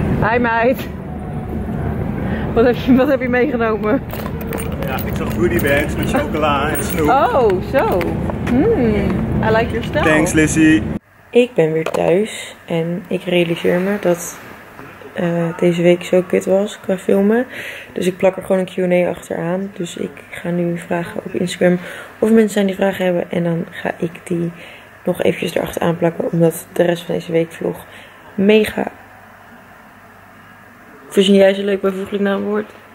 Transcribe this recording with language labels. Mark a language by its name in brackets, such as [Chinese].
[Dutch] Hi meid. Wat heb je meegenomen? Ja, ik zag goodie bags met chocola en snoep. [English] Oh, zo. I like your style. Thanks, Lizzie. [Dutch] Ik ben weer thuis en ik realiseer me dat... deze week zo kut was qua filmen. Dus ik plak er gewoon een Q&A achteraan. Dus ik ga nu vragen op Instagram of er mensen zijn die vragen hebben. En dan ga ik die nog eventjes erachteraan plakken. Omdat de rest van deze week vlog mega... Verzin jij ze leuk bijvoeglijk naamwoord?